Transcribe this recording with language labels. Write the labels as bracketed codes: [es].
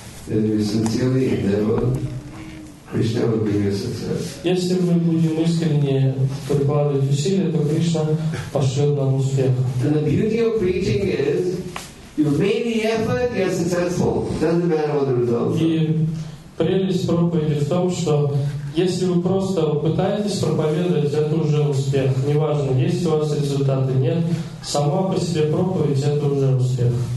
[en] And we sincerely endeavor, Krishna will be your success. [ru] Если мы будем искренне прикладывать усилия, то Кришна пошлет нам успех. [en] And the beauty of preaching is, You made the effort, you're successful. Doesn't matter what the results are. [ru] Прелесть проповеди в том, что если вы просто пытаетесь проповедовать, это уже успех. Неважно, есть у вас результаты, нет. Сама по себе проповедь, это уже успех.